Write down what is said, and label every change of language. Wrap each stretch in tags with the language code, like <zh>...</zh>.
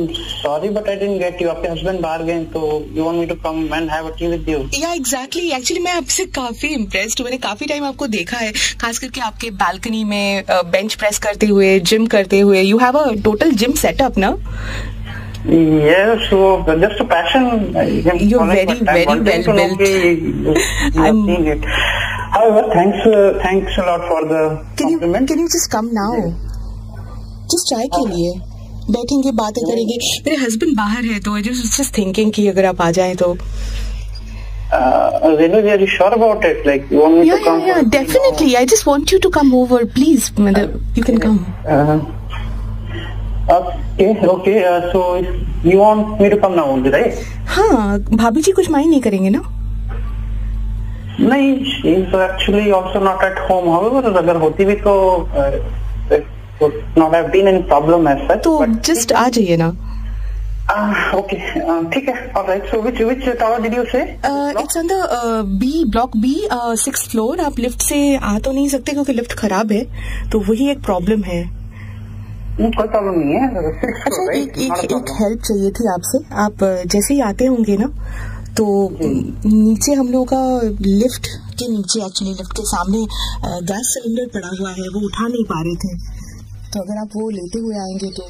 <en>sorry but I didn't get you,</en> <hi>आपके husband बाहर गए तो</hi> <en>You want me to come and have a tea with you?</en> <hi>या exactly, actually मैं आपसे काफी इम्प्रेस्ड हूँ, मैंने काफी टाइम आपको देखा है, खास करके आपके बालकनी में बेंच प्रेस करते हुए, जिम करते हुए।</hi> <en>You have a total gym setup ना? Yes, so just a passion. You're very, very well built. However, thanks a lot for the compliment. Can you just come now? Just</en> <hi>chai ke liye. बैठेंगे, बातें करेंगे। मेरे husband बाहर है तो</hi> <en>just thinking</en> <hi>कि अगर आप आ जाएं तो।</hi> <en>Renu ji, are you sure about it? Like you want me to come? या definitely, I just want you to come over, please. मतलब you can come. Okay, so you want me to come now, right?</en> <hi>हाँ, भाभी जी कुछ mind नहीं करेंगे ना?</hi> <en>नहीं, she is actually also not at home. However,</en> <hi>अगर होती भी तो</hi> <en>So, not have been any problem as such.</en> <hi>तो just आ जाइए ना। ओके, ठीक है, alright.</hi> <en>So which tower did you say? It's on the B block B, sixth floor.</en> <hi>आप लिफ्ट से आ तो नहीं सकते क्योंकि लिफ्ट खराब है, तो वही एक प्रॉब्लम है। कोई प्रॉब्लम नहीं है। अच्छा, एक हेल्प चाहिए थी आपसे। आप जैसे ही आते होंगे ना, तो नीचे हम लोगों का लिफ्ट के नीचे, एक्चुअली लिफ्ट के सामने गैस सिलेंडर पड़ा हुआ है, वो उठा नहीं पा रहे थे, तो अगर आप वो लेते हुए आएंगे तो।</hi>